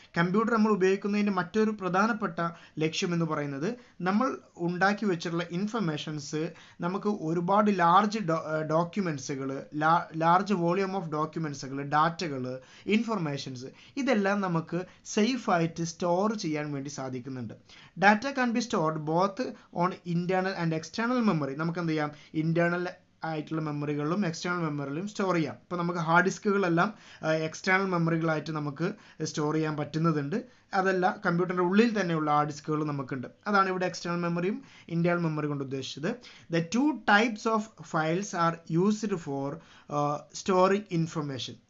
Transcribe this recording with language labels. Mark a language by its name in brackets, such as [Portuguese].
[Malayalam] Computer നമ്മൾ ഉപയോഗിക്കുന്നതിൻ്റെ മറ്റൊരു പ്രധാനപ്പെട്ട ലക്ഷ്യം എന്ന് പറയുന്നത് നമ്മൾ ഉണ്ടാക്കി വെച്ചിട്ടുള്ള ഇൻഫർമേഷൻസ് നമുക്ക് ഒരുപാട് large ഡോക്യുമെൻസുകൾ, large volume of ഡോക്യുമെൻസുകൾ, ഡാറ്റകൾ, informations, ഇതെല്ലാം നമുക്ക് സേഫായിട്ട് സ്റ്റോർ ചെയ്യാൻ വേണ്ടി സാധിക്കുന്നുണ്ട്. Data [English] can be stored both on internal and external memory. [Malayalam] നമുക്ക് എന്ത് ചെയ്യാം, ഇന്റേർണൽ ആയിട്ടുള്ള മെമ്മറികളിലും എക്സ്റ്റേണൽ മെമ്മറികളിലും സ്റ്റോർ ചെയ്യാം. അപ്പോൾ നമുക്ക് ഹാർഡ് ഡിസ്കുകളെല്ലാം എക്സ്റ്റേണൽ മെമ്മറികളായിട്ട് നമുക്ക് സ്റ്റോർ ചെയ്യാൻ പറ്റുന്നുണ്ട്. അതല്ല, കമ്പ്യൂട്ടറിൻ്റെ ഉള്ളിൽ തന്നെയുള്ള ഹാർഡ് ഡിസ്കുകൾ നമുക്കുണ്ട്. അതാണ് ഇവിടെ എക്സ്റ്റേണൽ മെമ്മറിയും ഇന്റേണൽ മെമ്മറി കൊണ്ട് ഉദ്ദേശിച്ചത്. [English] The two types of files are used for storing information.